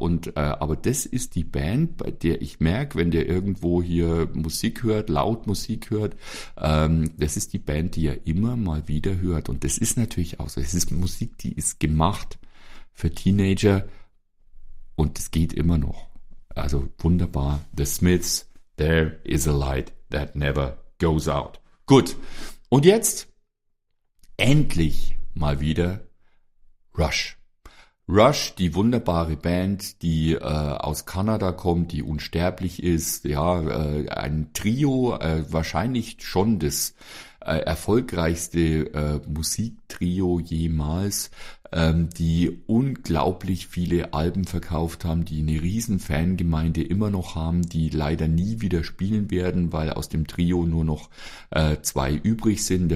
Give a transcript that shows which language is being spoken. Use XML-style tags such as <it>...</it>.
<de>Und aber das ist die Band, bei der ich merke, wenn der irgendwo hier Musik hört, laut Musik hört, das ist die Band, die er immer mal wieder hört. Und das ist natürlich auch so. Es ist Musik, die ist gemacht für Teenager und es geht immer noch. Also wunderbar.</de> <en>The Smiths, there is a light that never goes out.</en> <de>Gut. Und jetzt endlich mal wieder Rush. Rush, die wunderbare Band, die aus Kanada kommt, die unsterblich ist. Ja, ein Trio, wahrscheinlich schon das erfolgreichste Musiktrio jemals, die unglaublich viele Alben verkauft haben, die eine riesen Fangemeinde immer noch haben, die leider nie wieder spielen werden, weil aus dem Trio nur noch zwei übrig sind.</de>